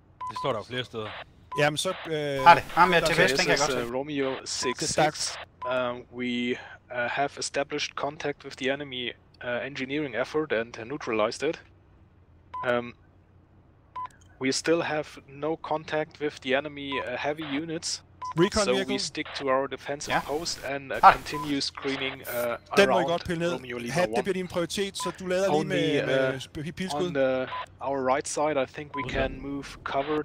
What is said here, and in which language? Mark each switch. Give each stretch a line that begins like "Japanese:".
Danish: Det står der jo flere steder. Jamen så har det. Har mere TPS, tænker jeg godt.
English: Romeo 66. We have established contact with the enemy engineering effort and neutralized it. We still have no contact with the enemy heavy units. Recon so vehicle. We stick to our defensive post and continue screening
Danish: den
English: around.
Danish: Den må I godt pille ned. Hat, det bliver din prioritet, så du lader lige med pilskud.
English: On our right side, I think we can move covered